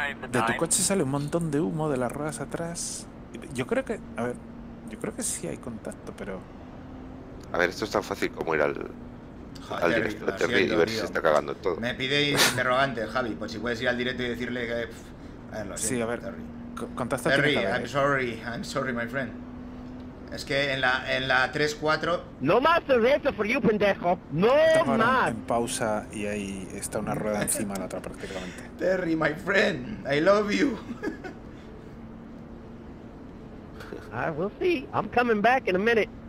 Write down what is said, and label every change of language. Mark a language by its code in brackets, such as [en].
[es] De tu coche sale un montón de humo de las ruedas atrás. Yo creo que, a ver, yo creo que sí hay contacto, pero. A ver, esto es tan fácil como ir al. Joder, al directo de Terry y ver, tío, si se está cagando todo. Me pide interrogante, Javi, pues si puedes ir al directo y decirle que. Pff, a ver, sí, a ver, Terry. Contacta [en] Terry, I'm sorry, my friend. [es] Es que en la 3-4. No más cerveza [en] for you, [es] pendejo. No más. En pausa y ahí está una rueda encima de la otra prácticamente. [en] Terry, my friend, I love you. I will see. I'm coming back in a minute.